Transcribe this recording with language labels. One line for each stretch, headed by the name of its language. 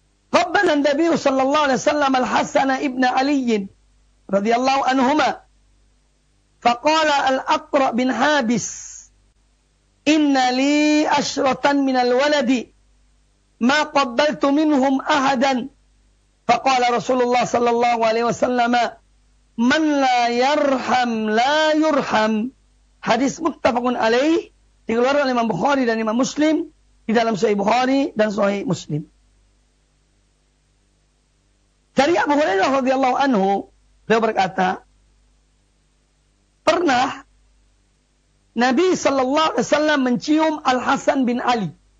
Arabic: qabbala an-nabiy sallallahu alaihi wasallam al-Hasan ibn Ali radhiyallahu anhuma faqala al-Aqra bin Habis, إن لي أشرة من الولد ما قبلت منهم أحدا. فقال رسول الله صلى الله عليه وسلم من لا يرحم لا يرحم. حديث متفق عليه
Indonesian: dikeluarkan oleh Imam Bukhari dan Imam Muslim di dalam Sahih Bukhari dan Sahih Muslim. Dari Abu Hurairah radhiyallahu anhu beliau berkata, pernah Nabi sallallahu alaihi wasallam mencium Al-Hasan bin Ali.